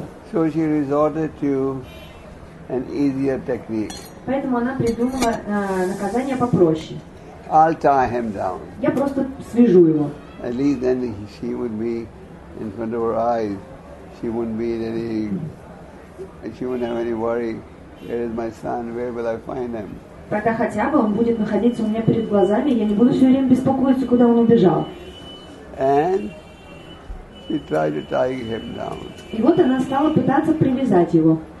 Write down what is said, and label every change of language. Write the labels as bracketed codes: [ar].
[en] So she resorted to an easier technique. [ru] Поэтому она придумала наказание попроще. [en] I'll tie him down. [ru] Я просто свяжу его. [en] At least then she would be in front of her eyes. She wouldn't be in any... She wouldn't have any worry. Where is my son? Where will I find him? [ru] Тогда хотя бы он будет находиться у меня перед глазами, я не буду все время беспокоиться, куда он убежал. [en] And she tried to tie him down. [ru] И вот она стала пытаться привязать его.